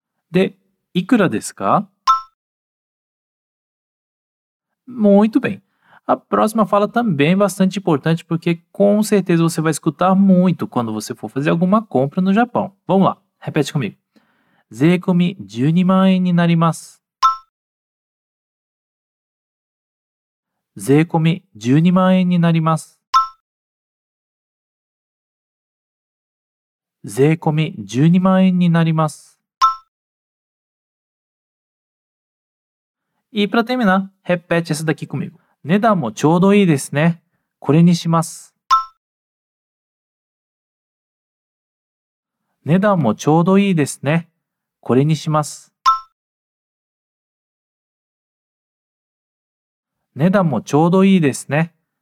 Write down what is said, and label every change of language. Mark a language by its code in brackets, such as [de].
[ja] De ikura desu ka? [pt] Muito bem. A próxima fala também é bastante importante, porque com certeza você vai escutar muito quando você for fazer alguma compra no Japão. Vamos lá. Repete comigo. [ja] 税込み12万円になります。税込み12万円になります。税込み12万円になります。 [pt] E para terminar, repete essa daqui comigo. [ja] 値段もちょうどいいですね。これにします。値段もちょうどいいですね。これにします。値段もちょうどいいですね。